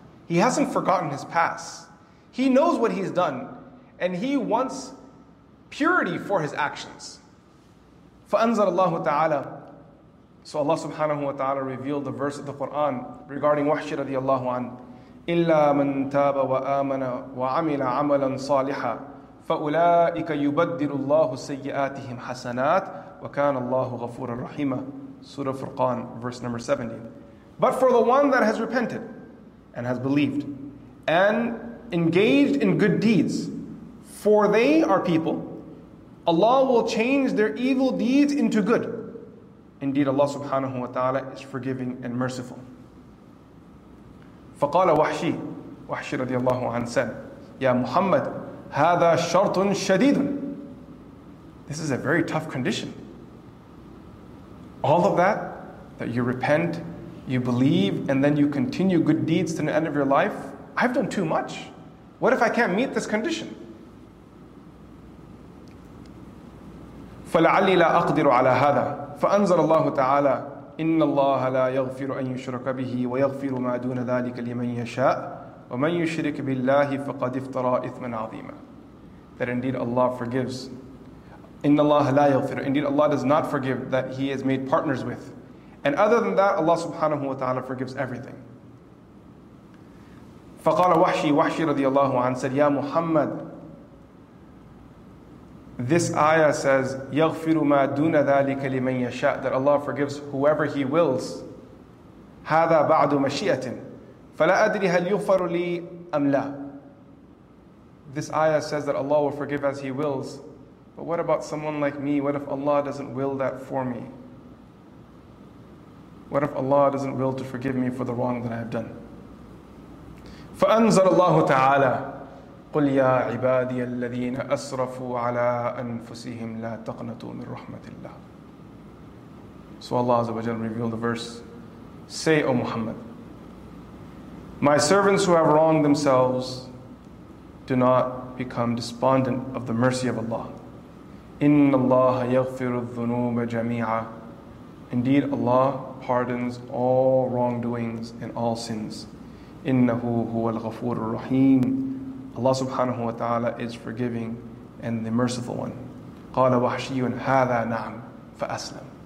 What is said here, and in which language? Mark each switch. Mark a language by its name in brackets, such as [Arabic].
[English] He hasn't forgotten his past. He knows what he's done. And he wants purity for his actions. [Arabic] فَأَنْزَلَ اللَّهُ تَعَالَى [English] So Allah subhanahu wa ta'ala revealed the verse of the Qur'an regarding Wahshi radiallahu anhu. [Arabic] إِلَّا مَنْ تَابَ وَآمَنَ وَعَمِلَ عَمَلًا صَالِحًا فَأُولَٰئِكَ يُبَدِّلُ اللَّهُ سَيِّئَاتِهِمْ حَسَنَاتٍ وَكَانَ اللَّهُ غَفُورًا رَحِيمًا [English] Surah Furqan, verse number 70. But for the one that has repented and has believed and engaged in good deeds, for they are people, Allah will change their evil deeds into good. Indeed, Allah subhanahu wa ta'ala is forgiving and merciful. [Arabic] فَقَالَ وَحْشِي وَحْشِي رَضِيَ اللَّهُ عَنْهُ said, يَا مُحَمَّدْ هَذَا شَرْطٌ شَدِيدٌ [English] This is a very tough condition. All of that, that you repent, you believe, and then you continue good deeds to the end of your life, I've done too much. What if I can't meet this condition? [Arabic] فَلَعَلِّي لَا أَقْدِرُ عَلَى هَذَا فَأَنْزَلَ اللَّهُ تَعَالَى إِنَّ اللَّهَ لَا يَغْفِرُ أَنْ يُشْرَكَ بِهِ وَيَغْفِرُ مَا دُونَ ذَلِكَ لِمَنْ يَشَاءُ وَمَنْ يُشْرِكْ بِاللَّهِ فَقَدِ افْتَرَى إِثْمًا عَظِيمًا [English] That indeed Allah forgives. [Arabic] إِنَّ اللَّهَ لَا يَغْفِرُ [English] Indeed Allah does not forgive that He has made partners with. And other than that, Allah subhanahu wa ta'ala forgives everything. [Arabic] فَقَالَ وَحْشِي وَحْشِي رَضِيَ اللَّهُ عَنْهُ said, يَا مُحَمَّد [English] This ayah says, [Arabic] يَغْفِرُ مَا دُونَ ذَٰلِكَ لِمَنْ يَشَاءُ [English] That Allah forgives whoever He wills. [Arabic] هَذَا بَعْدُ مَشِيئَةٍ فَلَا أَدْرِ هَلْ يُغْفَرُ لِي أَمْ لَا [English] This ayah says that Allah will forgive as He wills. But what about someone like me? What if Allah doesn't will that for me? What if Allah doesn't will to forgive me for the wrong that I have done? [Arabic] فَأَنْزَلَ اللَّهُ تَعَالَى قل يا عبادي الذين أسرفوا على أنفسهم لا تقنطوا من رحمة الله. [English] So Allah Azza wa Jalla revealed the verse. Say, O Muhammad, my servants who have wronged themselves, do not become despondent of the mercy of Allah. [Arabic] إن الله يغفر الذنوب جميعا. [English] Indeed, Allah pardons all wrongdoings and all sins. [Arabic] إِنَّهُ هُوَ الْغَفُورُ الرَّحِيمُ. [English] Allah subhanahu wa ta'ala is forgiving and the merciful one. [Arabic] قَالَ وَحْشِيٌ هَذَا نَعْمُ فَأَسْلَمُ.